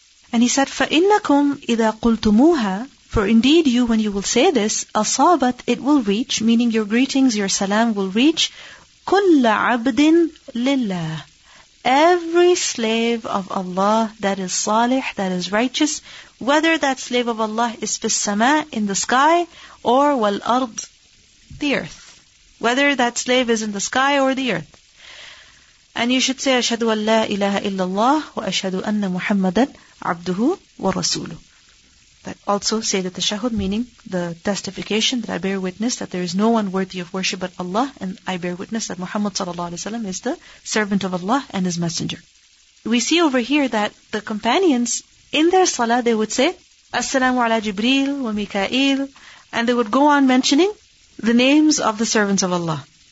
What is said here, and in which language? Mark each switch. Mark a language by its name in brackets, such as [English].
[English] And he said, [Arabic] فإنكم إذا قلتموها, [English] for indeed you, when you will say this, [Arabic] أصابت, [English] it will reach, meaning your greetings, your salam will reach, [Arabic] كل عبد لله, [English] every slave of Allah that is salih, that is righteous, whether that slave of Allah is [Arabic] في السماء, [English] in the sky, or [Arabic] والأرض, [English] the earth. Whether that slave is in the sky or the earth. [Arabic] And you should say, أشهد أن لا إله إلا الله وأشهد أن محمدا عبده ورسوله. [English] that also say the tashahhud, meaning the testification that I bear witness that there is no one worthy of worship but Allah, and I bear witness that Muhammad sallallahu alaihi wasallam is the servant of Allah and his messenger. We see over here that the companions, in their salah, they would say, As-salamu ala Jibreel wa Mika'il, and they would go on mentioning the names of the servants of Allah.